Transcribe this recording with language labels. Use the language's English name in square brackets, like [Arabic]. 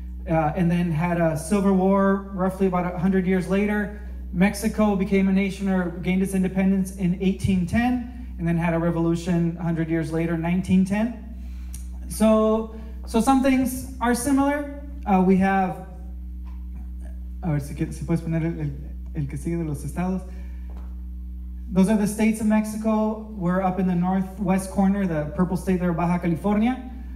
[English] And then had a civil war roughly about 100 years later. Mexico became a nation or gained its independence in 1810, and then had a revolution 100 years later, 1910. So some things are similar. We have, [Spanish] a ver si puedes poner el que sigue de los estados. [English] Those are the states of Mexico. We're up in the northwest corner, the purple state there, Baja California.